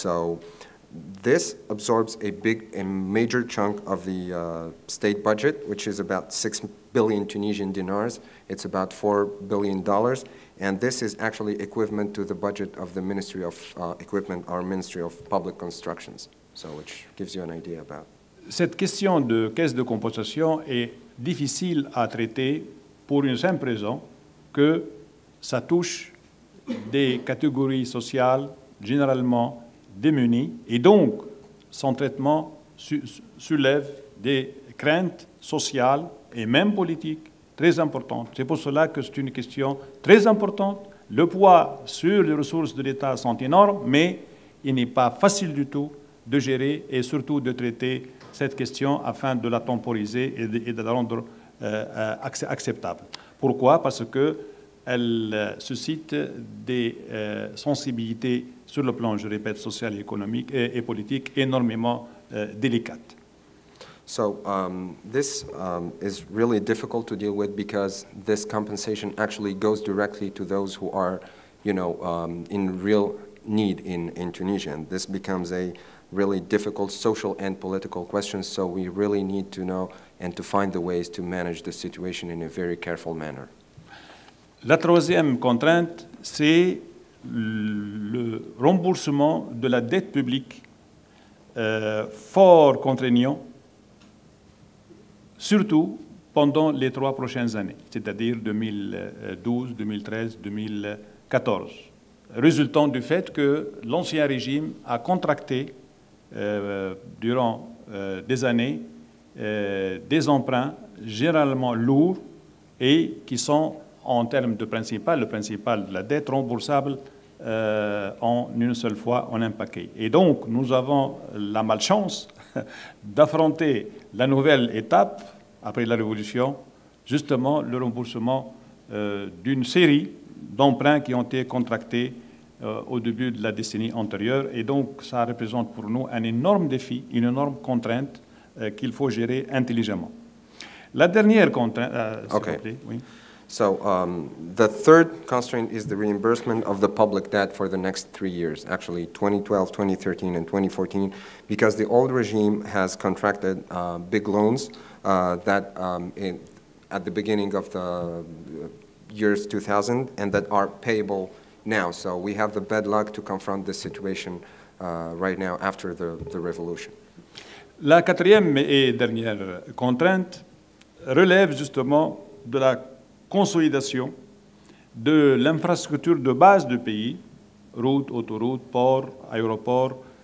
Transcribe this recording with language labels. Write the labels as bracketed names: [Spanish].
[English] So this absorbs a major chunk of the state budget, which is about 6 billion Tunisian dinars. It's about $4 billion. And this is actually equivalent to the budget of the Ministry of Equipment, our Ministry of Public Constructions, so which gives you an idea about. [French] Cette question de caisse de compensation est difficile à traiter pour une simple raison que ça touche des catégories sociales généralement démunies et donc son traitement soulève des craintes sociales et même politiques très importantes. C'est pour cela que c'est une question très importante. Le poids sur les ressources de l'État sont énormes, mais il n'est pas facile du tout de gérer et surtout de traiter cette question afin de la temporiser et de la rendre acceptable. Pourquoi ? Parce qu'elle suscite des sensibilités sur le plan, je répète, social, économique et politique énormément délicates. [English] So this is really difficult to deal with because this compensation actually goes directly to those who are, you know, in real need in Tunisia. And this becomes a really difficult social and political questions, so we really need to know and to find the ways to manage the situation in a very careful manner. [French] La troisième contrainte, c'est le remboursement de la dette publique fort contraignant, surtout pendant les trois prochaines années, c'est-à-dire 2012, 2013, 2014, résultant du fait que l'ancien régime a contracté durant des années, des emprunts généralement lourds et qui sont, en termes de principal, le principal de la dette, remboursable en une seule fois, en un paquet. Et donc, nous avons la malchance d'affronter la nouvelle étape, après la Révolution, justement le remboursement d'une série d'emprunts qui ont été contractés au début de la décennie antérieure, et donc ça représente pour nous un énorme défi, une énorme contrainte qu'il faut gérer intelligemment. La dernière contrainte, s'il vous plaît. Oui. [English] So, the third constraint is the reimbursement of the public debt for the next 3 years, actually 2012, 2013, and 2014, because the old regime has contracted big loans that at the beginning of the years 2000 and that are payable now, so we have the bad luck to confront this situation right now after the revolution. [French] La quatrième et dernière contrainte relève justement de la consolidation de l'infrastructure de base du pays, routes, autoroutes, ports, aéroports,